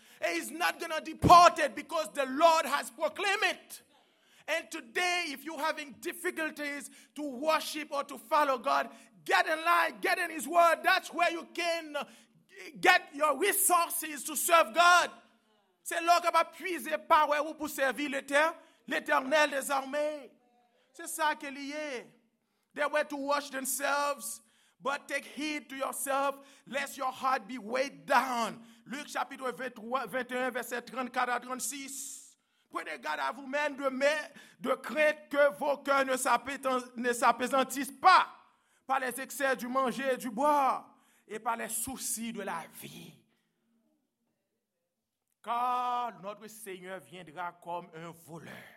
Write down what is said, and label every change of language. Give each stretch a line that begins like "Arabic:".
English: And it's not going to depart it because the Lord has proclaimed it. And today, if you're having difficulties to worship or to follow God, get in line, get in His Word. That's where you can get your resources to serve God.
French: C'est là qu'on va puiser power pour servir l'éternel des armées. C'est ça qui est lié.
English: They were to wash themselves. But take heed to yourself, lest your heart be weighed down.
French: Luc chapitre 21, verset 34 à 36. Prenez garde à vous-même de crainte que vos cœurs ne s'apaisantissent pas par les excès du manger et du boire et par les soucis de la vie. Car notre Seigneur viendra comme un voleur.